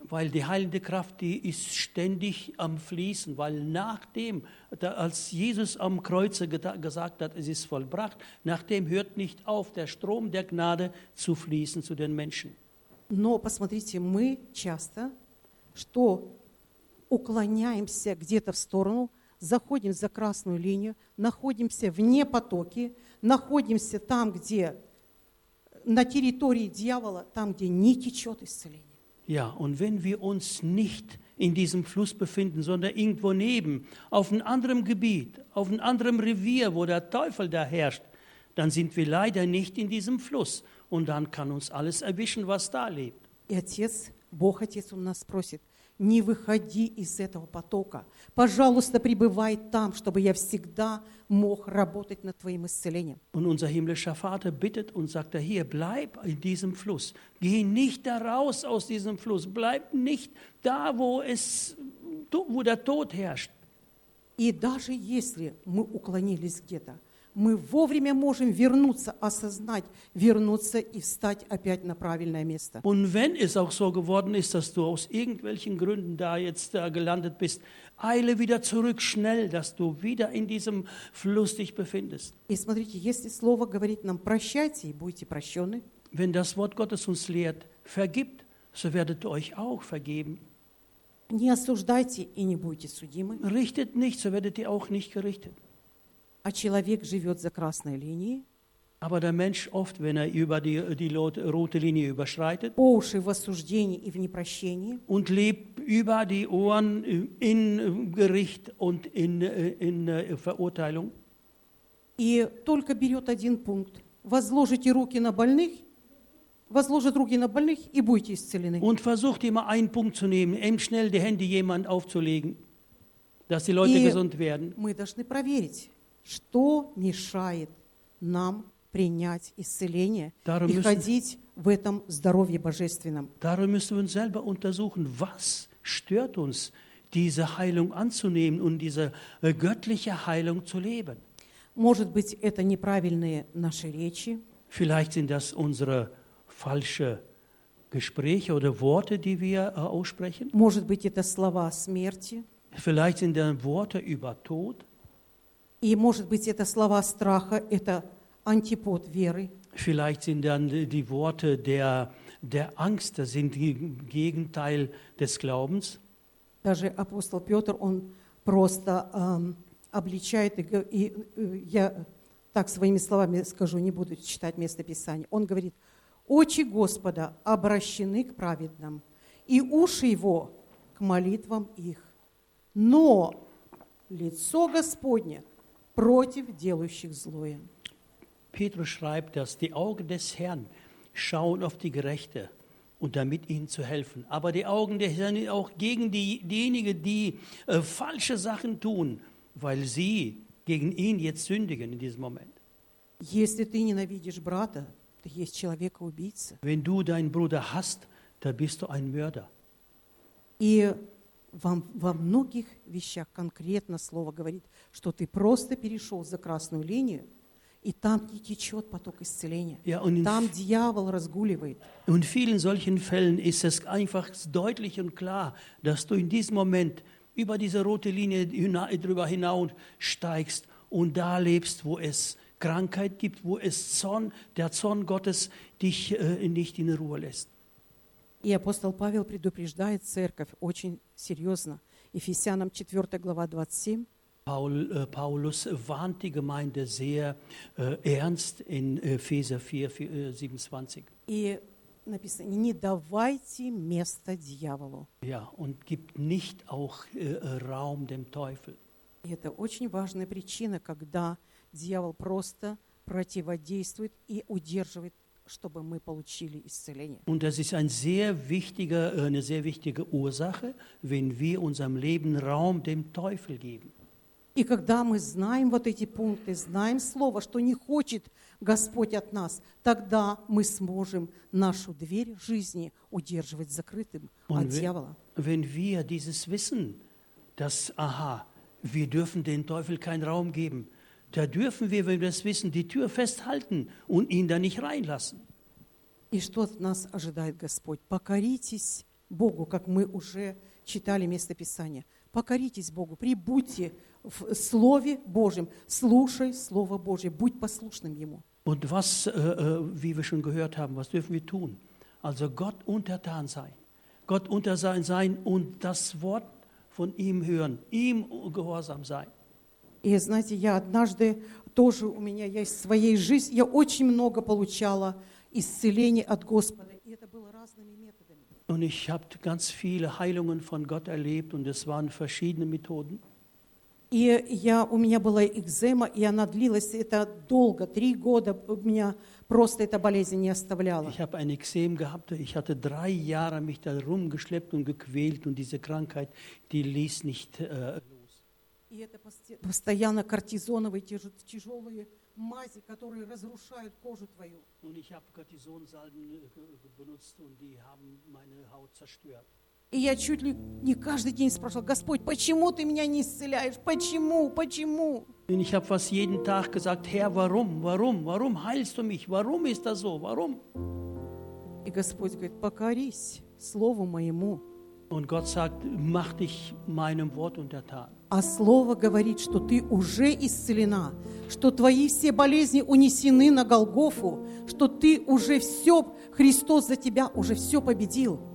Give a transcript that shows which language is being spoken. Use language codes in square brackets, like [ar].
[de] Weil die heilende Kraft, die ist ständig am fließen, weil nachdem, als Jesus am Kreuze gesagt hat, es ist vollbracht, nachdem hört nicht auf, der Strom der Gnade zu fließen zu den Menschen. [ru] Но посмотрите, мы часто что уклоняемся где-то в сторону, заходим за красную линию, находимся вне потоки, находимся там, где на территории дьявола, там, где не течет исцеление. [de] Ja, und wenn wir uns nicht in diesem Fluss befinden, sondern irgendwo neben, auf einem anderen Gebiet, auf einem anderen Revier, wo der Teufel da herrscht, dann sind wir leider nicht in diesem Fluss und dann kann uns alles erwischen, was da lebt. [ru] И отец, Бог Отец у нас просит, не выходи из этого потока. Пожалуйста, пребывай там, чтобы я всегда мог работать над твоим исцелением. [de] Und unser himmlischer Vater bittet und sagt, hier, bleib in diesem Fluss. Geh nicht da raus aus diesem Fluss. Bleib nicht da, wo der Tod herrscht. [ru] И даже если мы уклонились где-то, мы вовремя можем вернуться, осознать, вернуться и встать опять на правильное место. [de] Und wenn es auch so geworden ist, dass du aus irgendwelchen Gründen da jetzt gelandet bist, eile wieder zurück schnell, dass du wieder in diesem Fluss dich befindest. [ru] И смотрите, если слово говорит нам прощайте и будете прощены. [de] Wenn das Wort Gottes uns lehrt, vergibt, so werdet ihr euch auch vergeben. [ru] Не осуждайте и не будете судимы. [de] Richtet nicht, so werdet ihr auch nicht gerichtet. [ru] А человек живет за красной линией. [de] Aber der Mensch oft, wenn er über die rote Linie überschreitet, [ru] по уши в осуждении и в непрощении, [de] und lebt über die Ohren in Gericht und in Verurteilung, [ru] и только берет один пункт. Возложите руки на больных, возложит руки на больных и будете исцелены. [de] Und versucht immer einen Punkt zu nehmen, eben schnell die Hände jemand aufzulegen, dass die Leute [ru] и [de] gesund werden. [ru] Мы должны проверить, что мешает нам принять исцеление [de] darum [ru] и ходить в этом здоровье божественном. [de] Darum müssen wir uns selber untersuchen, was stört uns, diese Heilung anzunehmen und diese göttliche Heilung zu leben. [ru] Может быть, это неправильные наши речи. [de] Vielleicht sind das unsere falsche Gespräche oder Worte, die wir aussprechen. [ru] Может быть, это слова смерти. [de] Vielleicht sind das Worte über Tod. [ru] И может быть, это слова страха, это антипод веры. [de] Vielleicht sind dann die Worte der Angst, das sind die Gegenteil des Glaubens. [ru] Даже апостол Петр, он просто обличает, и я так своими словами скажу, не буду читать место Писания. Он говорит: «Очи Господа обращены к праведным, и уши Его к молитвам их, но лицо Господне против делающих злое». [de] Petrus schreibt, dass die Augen des Herrn schauen auf die Gerechte und damit ihnen zu helfen. Aber die Augen des Herrn sind auch gegen diejenigen, die falsche Sachen tun, weil sie gegen ihn jetzt sündigen in diesem Moment. [ru] Если ты ненавидишь брата, то есть человека-убийца. [de] Wenn du deinen Bruder hast, dann bist du ein Mörder. [ru] И во многих вещах конкретно слово говорит, что ты просто перешел за красную линию, и там не течет поток исцеления. [de] Ja, [ru] там дьявол разгуливает. [de] In vielen solchen Fällen ist es einfach deutlich und klar, dass du in diesem Moment über diese rote Linie drüber hinaussteigst und da lebst, wo es Krankheit gibt, wo es Zorn, der Zorn Gottes dich nicht in Ruhe lässt. [ru] И апостол Павел предупреждает церковь очень серьезно. Ефесянам 4, глава 27. [de] Paulus warnt die Gemeinde sehr ernst in Epheser 4:27. [ru] И написано: не давайте место дьяволу. [de] Ja, und gibt nicht auch Raum dem Teufel. [ru] И это очень важная причина, когда дьявол просто противодействует и удерживает, чтобы мы получили исцеление. [de] Und das ist eine sehr wichtige Ursache, wenn wir unserem Leben Raum dem Teufel geben. [ru] И когда мы знаем вот эти пункты, знаем слово, что не хочет Господь от нас, тогда мы сможем нашу дверь жизни удерживать закрытым [de] Und [ru] от дьявола. [de] Wenn wir dieses wissen, dass, aha, wir dürfen den Teufel keinen Raum geben, da dürfen wir, wenn wir das wissen, die Tür festhalten und ihn da nicht reinlassen. [ru] И что от нас ожидает Господь? Покоритесь Богу, как мы уже читали место Писания. Покоритесь Богу, прибудьте в Слове Божьем, слушай Слово Божье, будь послушным Ему. [de] Und was, wie wir schon gehört haben, was dürfen wir tun? Also Gott untertan sein, Gott untertan sein und das Wort von ihm hören, ihm gehorsam sein. [ru] И знаете, я однажды тоже, у меня есть в своей жизни, я очень много получала исцеления от Господа, и это было разными методами. [de] Und ich habe ganz viele Heilungen von Gott erlebt und es waren verschiedene Methoden. [ru] И у меня была экзема, и она длилась это долго, 3 года у меня просто эта болезнь не оставляла. [de] Ich habe eine Ekzem gehabt, ich hatte 3 Jahre mich da rumgeschleppt und gequält und diese Krankheit, die ließ nicht los. [ru] И это постоянно кортизоновые тяжелые мази, которые разрушают кожу твою. [de] Und ich habe Cortisonsalben benutzt und die haben meine Haut zerstört. [ru] И я чуть ли не каждый день спрашивала: Господь, почему ты меня не исцеляешь? Почему? Почему? И я вас [de] jeden Tag gesagt: Herr, warum? Warum? Warum heilst du mich? Warum ist das so? Warum? [ru] И Господь говорит: покорись слову моему. [de] Und Gott sagt: Mach dich meinem Wort untertan. [ru] А слово говорит, что ты уже исцелена, что твои все болезни унесены на Голгофу, что ты уже все, Христос за тебя уже все победил.